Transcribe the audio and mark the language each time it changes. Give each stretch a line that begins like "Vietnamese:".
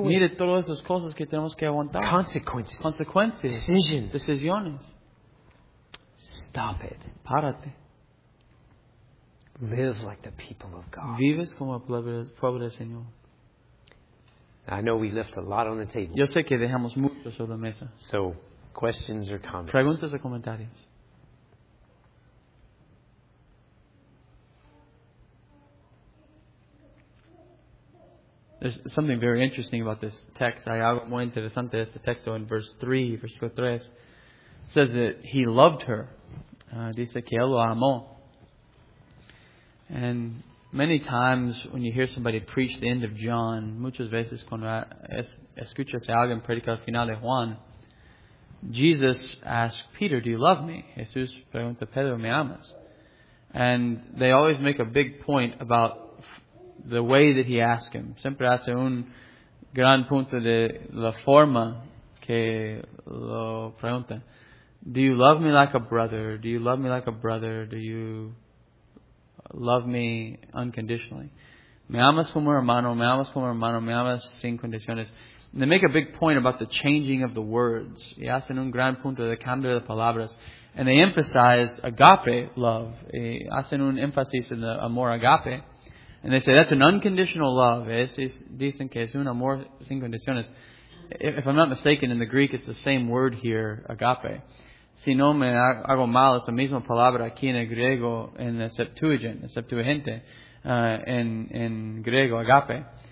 Spanish: with. Mire todas esas cosas que tenemos que aguantar.
English: Consequences.
Spanish: Consecuencias.
English: Decisions.
Spanish: Decisiones.
English: Stop it.
Spanish: Párate.
English: Live like the people of God.
Spanish: Vives como el pueblo del Señor.
English: I know we left a lot on the table.
Spanish: Yo sé que dejamos mucho sobre la mesa.
English: So, questions or comments?
Spanish: Preguntas o comentarios.
English: There's something very interesting about this text.
Spanish: Hay algo muy interesante este texto en verse 3, versículo 3.
English: It says that he loved her.
Spanish: Dice que él lo amó.
English: And many times when you hear somebody preach the end of John,
Spanish: muchas veces cuando escuchas a alguien predicar el final de Juan,
English: Jesus asks Peter, do you love me?
Spanish: Jesús pregunta a Pedro, ¿me amas?
English: And they always make a big point about the way that he asks him.
Spanish: Siempre hace un gran punto de la forma que lo pregunta.
English: Do you love me like a brother? Do you love me like a brother? Do you love me unconditionally?
Spanish: Me amas como hermano, me amas como hermano, me amas sin condiciones.
English: And they make a big point about the changing of the words.
Spanish: Y hacen un gran punto de cambio de palabras.
English: And they emphasize agape, love.
Spanish: Y hacen un énfasis en el amor agape.
English: And they say that's an unconditional love.
Spanish: Es, dicen que es un amor sin condiciones.
English: If I'm not mistaken, in the Greek it's the same word here, agape.
Spanish: Si no me hago mal, es la misma palabra aquí en el griego, en el Septuagint, el Septuagente, en griego, agape.